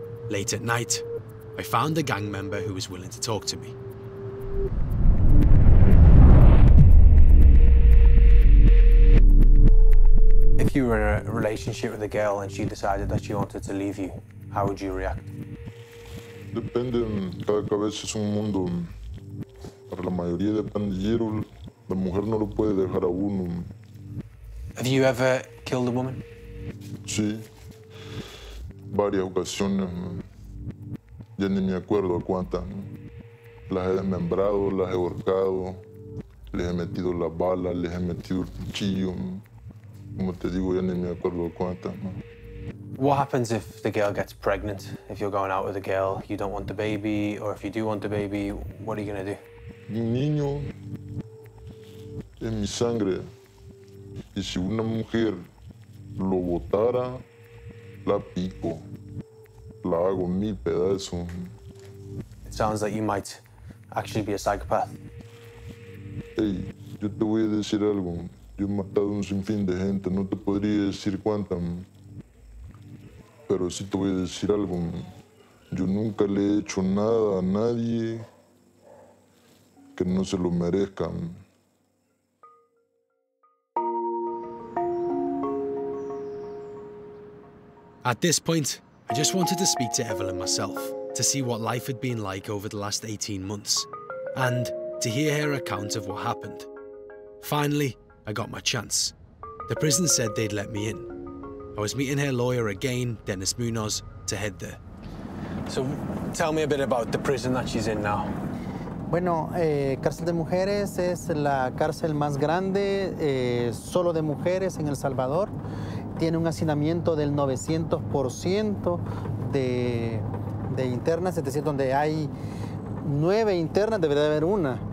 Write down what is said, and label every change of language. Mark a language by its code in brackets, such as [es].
[en] Late at night, I found a gang member who was willing to talk to me. If you were in a relationship with a girl and she decided that she wanted to leave you, how would you react? [es] Depende, cada cabeza es un mundo. Para la mayoría de pandilleros, la mujer no lo puede dejar a uno. [en] Have you ever killed a woman? [es] Sí, varias ocasiones. Ya ni me acuerdo cuántas. Las he desmembrado, las he ahorcado, les he metido las balas, les he metido el cuchillo. Como te digo, ya ni me acuerdo cuántas. [en] What happens if the girl gets pregnant? If you're going out with a girl, you don't want the baby, or if you do want the baby, what are you going to do? [es] Un niño es mi sangre. Y si una mujer lo botara, la pico. La hago mil pedazos. [en] It sounds like you might actually be a psychopath. [es] Hey, yo te voy a decir algo. Yo he matado un sinfín de gente. No te podría decir cuántas. Pero sí te voy a decir algo. Yo nunca le he hecho nada a nadie que no se lo merezca. [en] At this point, I just wanted to speak to Evelyn myself to see what life had been like over the last 18 months and to hear her account of what happened. Finally, I got my chance. The prison said they'd let me in. I was meeting her lawyer again, Dennis Munoz, to head there. So, tell me a bit about the prison that she's in now. [es] Bueno, cárcel de mujeres es la cárcel más grande, solo de mujeres en El Salvador. Tiene un hacinamiento del 900% de internas, es decir, donde hay 9 internas, debería haber una.